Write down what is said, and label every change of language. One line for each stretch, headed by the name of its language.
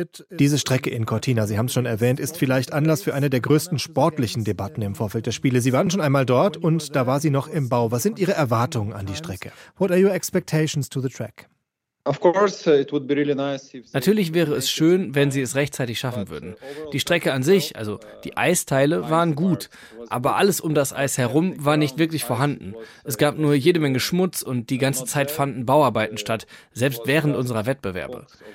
German: Diese Strecke in Cortina, Sie haben es schon erwähnt, ist vielleicht Anlass für eine der größten sportlichen Debatten im Vorfeld der Spiele. Sie waren schon einmal dort und da war sie noch im Bau. Was sind Ihre Erwartungen an die Strecke?
English: What are your expectations to the track?
German: Natürlich wäre es schön, wenn sie es rechtzeitig schaffen würden. Die Strecke an sich, also die Eisteile, waren gut, aber alles um das Eis herum war nicht wirklich vorhanden. Es gab nur jede Menge Schmutz und die ganze Zeit fanden Bauarbeiten statt, selbst während unserer Wettbewerbe.